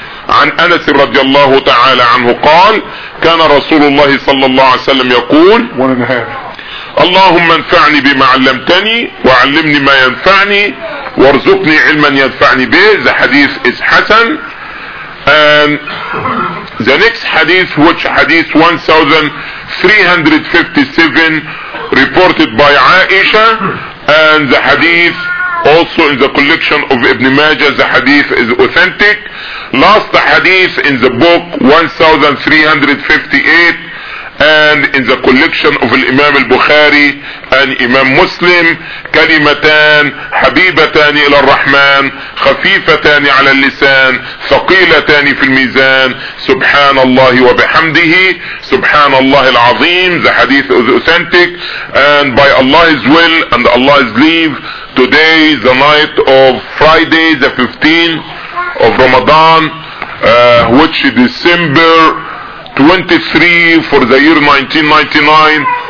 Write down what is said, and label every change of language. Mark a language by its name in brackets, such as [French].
[Arabic] عن أنس رضي الله تعالى عنه قال كان رسول الله صلى الله عليه وسلم يقول اللهم انفعني بما علمتني وعلمني ما ينفعني وارزقني علما ينفعني به. [English] The hadith is Hassan. And the next hadith, which hadith 1357 reported by Aisha, and the hadith also in the collection of Ibn Majah, the hadith is authentic. Last hadith in the book 1358 and in the collection of Imam al-Bukhari and Imam Muslim. [Arabic] كلمتان حبيبتان إلى الرحمن خفيفتان على اللسان ثقيلتان في الميزان سبحان الله وبحمده سبحان الله العظيم. [English] The hadith is authentic. And by Allah's will and Allah's leave, today is the night of Friday, the 15th of Ramadan, which is December 23 for the year 1999.